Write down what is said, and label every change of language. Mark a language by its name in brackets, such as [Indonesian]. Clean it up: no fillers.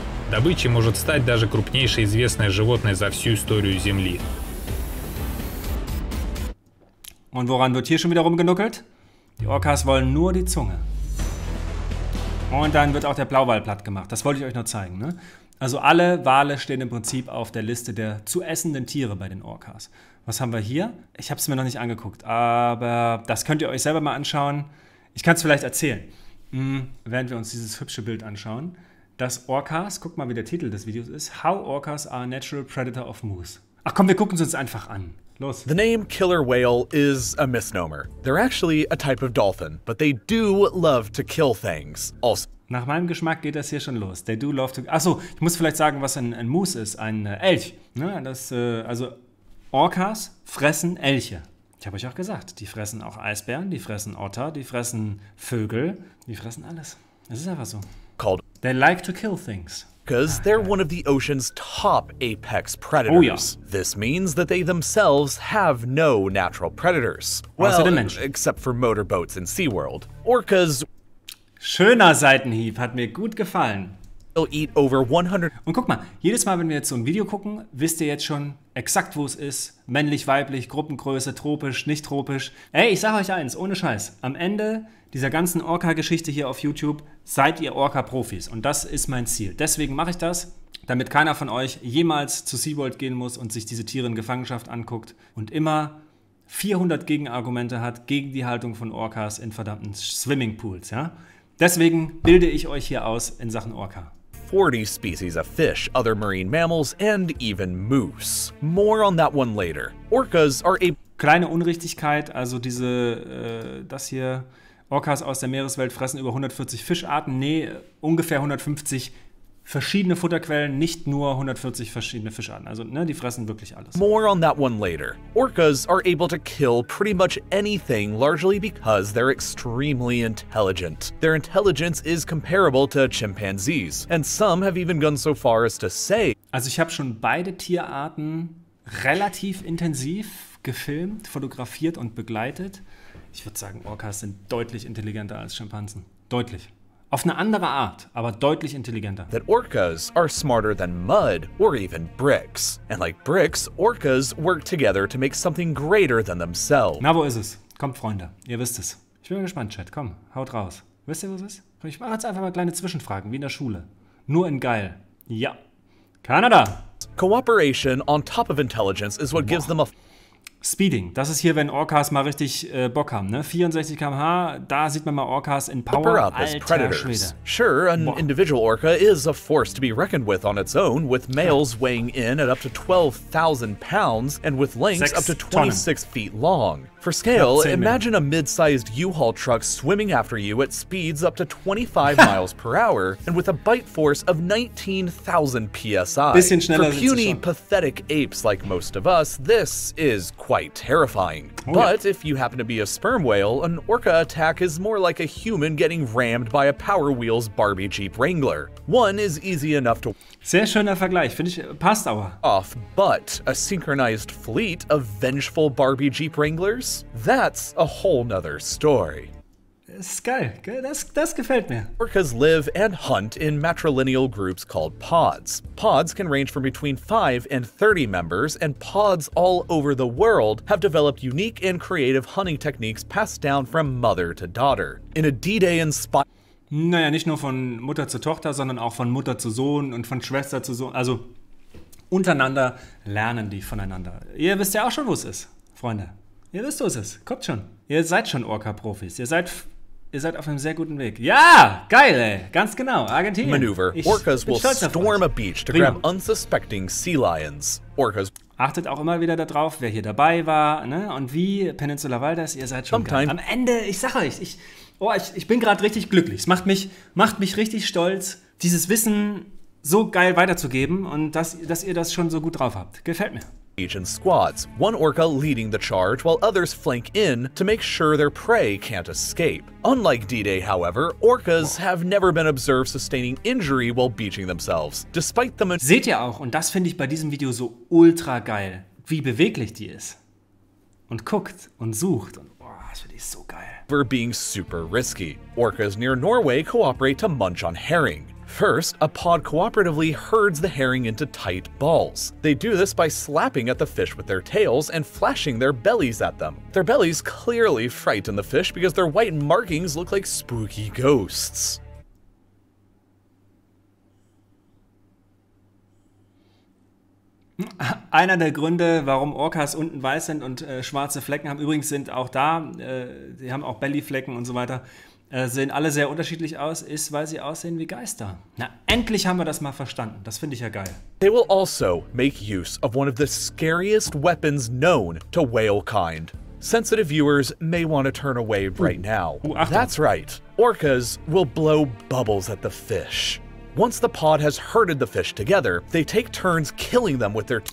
[Russian] Добычей может стать даже крупнейшее известное животное за всю историю Земли. [German] Und woran wird hier schon wieder rumgenuckelt? Die Orcas wollen nur die Zunge. Und dann wird auch der Blauwal platt gemacht. Das wollte ich euch noch zeigen, ne? Also alle Wale stehen im Prinzip auf der Liste der zu essenden Tiere bei den Orcas. Was haben wir hier? Ich habe es mir noch nicht angeguckt, aber das könnt ihr euch selber mal anschauen. Ich kann es vielleicht erzählen. während wir uns dieses hübsche Bild anschauen, dass Orcas, guck mal, wie der Titel des Videos ist, [English] How Orcas Are a Natural Predator of Moose. [German] Ach komm, wir gucken es uns einfach an. Los. [English] The name killer whale is a misnomer. They're actually a type of dolphin, but they do love to kill things. [German] Also. Nach meinem Geschmack geht das hier schon los. [English] They do love to... [German] Achso, ich muss vielleicht sagen, was ein Moose ist. Ein Elch. Ne? Das, also Orcas fressen Elche. Ich habe euch auch gesagt, die fressen auch Eisbären, die fressen Otter, die fressen Vögel, die fressen alles. Es ist einfach so. [English] Called. They like to kill things. Because they're one of the ocean's top apex predators. [German] Oh, ja. [English] This means that they themselves have no natural predators. Well, except for motorboats in SeaWorld. Orcas... [German] Schöner Seitenhieb, hat mir gut gefallen. [English] They'll eat over 100... [German] Und guck mal, jedes Mal, wenn wir jetzt so ein Video gucken, wisst ihr jetzt schon exakt, wo es ist. Männlich, weiblich, Gruppengröße, tropisch, nicht tropisch. Ey, ich sag euch eins, ohne Scheiß. Am Ende dieser ganzen Orca-Geschichte hier auf YouTube seid ihr Orca-Profis. Und das ist mein Ziel. Deswegen mache ich das, damit keiner von euch jemals zu SeaWorld gehen muss und sich diese Tiere in Gefangenschaft anguckt und immer 400 Gegenargumente hat gegen die Haltung von Orcas in verdammten Swimmingpools, ja? Deswegen bilde ich euch hier aus in Sachen Orca. [English] 40 species of fish, other marine mammals and even moose. More on that one later. Orcas are a... [German] Kleine Unrichtigkeit, also diese, das hier, Orcas aus der Meereswelt fressen über 140 Fischarten. Nee, ungefähr 150 verschiedene Futterquellen, nicht nur 140 verschiedene Fischarten. Also, ne, die fressen wirklich alles. [English] More on that one later. Orcas are able to kill pretty much anything, largely because they're extremely intelligent. Their intelligence is comparable to chimpanzees. And some have even gone so far as to say... [German] Also, ich habe schon beide Tierarten relativ intensiv gefilmt, fotografiert und begleitet. Ich würde sagen, Orcas sind deutlich intelligenter als Schimpansen. Deutlich. Auf eine andere Art, aber deutlich intelligenter. [English] That orcas are smarter than mud or even bricks. And like bricks, orcas work together to make something greater than themselves. [German] Na, wo ist es? Kommt, Freunde. Ihr wisst es. Ich bin gespannt, Chat. Komm, haut raus. Wisst ihr, was es ist? Ich mache jetzt einfach mal kleine Zwischenfragen, wie in der Schule. Nur in geil. Ja. Kanada! [English] Cooperation on top of intelligence is what gives them a... [German] Speeding, das ist hier, wenn Orcas mal richtig Bock haben, ne? 64 km/h, da sieht man mal Orcas in Power. Alter Schwede. [English] Sure, an individual orca is a force to be reckoned with on its own, with males weighing in at up to 12,000 pounds and with lengths up to 26 feet long. For scale, imagine a mid-sized U-Haul truck swimming after you at speeds up to 25 miles per hour and with a bite force of 19,000 PSI. [German] Bisschen schneller. [English] For puny, pathetic apes like most of us, this is quite terrifying. Oh, but yeah. If you happen to be a sperm whale, an orca attack is more like a human getting rammed by a Power Wheels Barbie Jeep Wrangler. One is easy enough to... [German] Sehr schöner Vergleich, finde ich, passt aber. [English] Off, but a synchronized fleet of vengeful Barbie Jeep Wranglers? That's a whole nother story. [German] Das ist geil, das gefällt mir. [English] Orcas live and hunt in matrilineal groups called pods. Pods can range from between 5 and 30 members, and pods all over the world have developed unique and creative hunting techniques passed down from mother to daughter. In a D-Day inspired... [German] Naja, nicht nur von Mutter zu Tochter, sondern auch von Mutter zu Sohn und von Schwester zu Sohn. Also untereinander lernen die voneinander. Ihr wisst ja auch schon, wo es ist, Freunde. Ihr wisst, wo es ist. Kommt schon. Ihr seid schon Orca-Profis. Ihr seid auf einem sehr guten Weg. Ja, geil, ey. Ganz genau. Argentinien. [English] Maneuver. Orcas will storm a beach to grab unsuspecting sea lions. Orcas. [German] Achtet auch immer wieder darauf, wer hier dabei war, ne? Und wie Peninsula Valdez, ihr seid schon geil. Am Ende, ich sag euch, ich bin gerade richtig glücklich. Es macht mich richtig stolz, dieses Wissen so geil weiterzugeben und dass ihr das schon so gut drauf habt. Gefällt mir. [English] In squads, one orca leading the charge while others flank in to make sure their prey can't escape. Unlike D-Day, however, orcas have never been observed sustaining injury while beaching themselves. Despite the... [German] Seht ihr auch, und das finde ich bei diesem Video so ultra geil, wie beweglich die ist. Und guckt und sucht und das finde ich so geil. [English] Being super risky. Orcas near Norway cooperate to munch on herring. First, a pod cooperatively herds the herring into tight balls. They do this by slapping at the fish with their tails and flashing their bellies at them. Their bellies clearly frighten the fish because their white markings look like spooky ghosts. [German] Einer der Gründe, warum Orcas unten weiß sind und schwarze Flecken haben, übrigens sind auch da, die haben auch Bellyflecken und so weiter, sehen alle sehr unterschiedlich aus, ist, weil sie aussehen wie Geister. Na, endlich haben wir das mal verstanden. Das finde ich ja geil. [English] They will also make use of one of the scariest weapons known to whale kind. Sensitive viewers may want to turn away right now. That's right. Orcas will blow bubbles at the fish. Once the pod has herded the fish together, they take turns killing them with their